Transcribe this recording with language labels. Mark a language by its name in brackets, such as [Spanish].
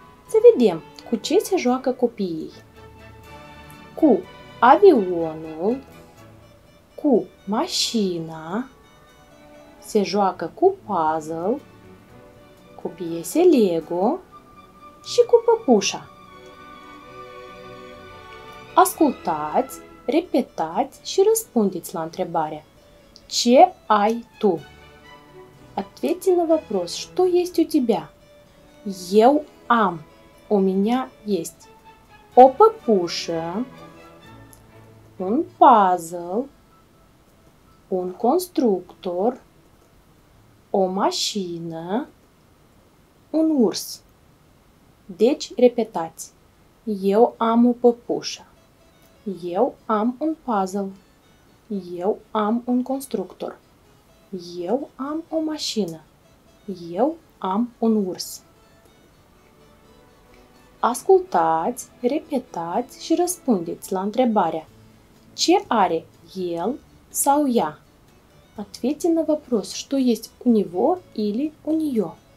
[Romanian] Să vedem cu ce se joacă copiii. Cu avionul, cu mașina, se joacă cu puzzle, cu piese Lego și cu păpușa. Ascultați, repetați și răspundeți la întrebare. Ce ai tu? [Russian] Ответьте на вопрос, что есть у тебя? [Romanian] Eu am. [Russian] У меня есть. [Romanian] O păpușă. Un puzzle. Un constructor. O mașină. Un urs. Deci, repetați. Eu am o păpușă. Eu am un puzzle. Eu am un constructor. Eu am o mașină. Eu am un urs. Ascultați, repetați și răspundeți la întrebarea. Ce are el sau ea? Ответьте на вопрос, что есть у него или у нее.